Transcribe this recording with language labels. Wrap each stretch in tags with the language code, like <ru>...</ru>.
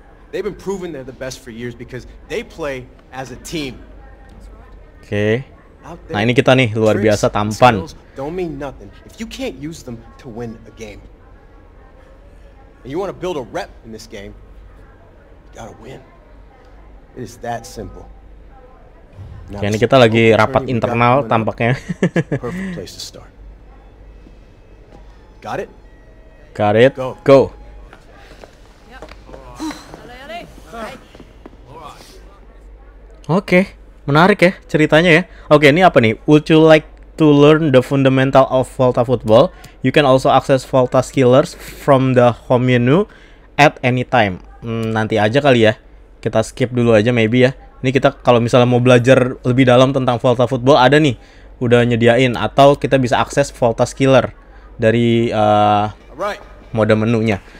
<en>They've been proven they're the best for years because they play as a team. Oke.</en> <id>Nah, ini kita nih luar biasa tampan.</id> <en>Don't mean nothing if you can't use them to win a game. And you want to build a rep in this game, you gotta win. It is that simple.</en> <id>Oke, ini kita lagi rapat internal tampaknya.</id> <en>Perfect place to start. Got it? Got it. Go.</en> <id>Oke, menarik ya ceritanya ya. Oke, ini apa nih?</id> <en>Would you like to learn the fundamental of Volta Football? You can also access Volta Skillers from the home menu at any time.</en> <id>Nanti aja kali ya. Kita skip dulu aja maybe ya. Ini kita kalau misalnya mau belajar lebih dalam tentang Volta Football ada nih. Udah nyediain. Atau kita bisa akses Volta Skiller dari mode menunya.</id>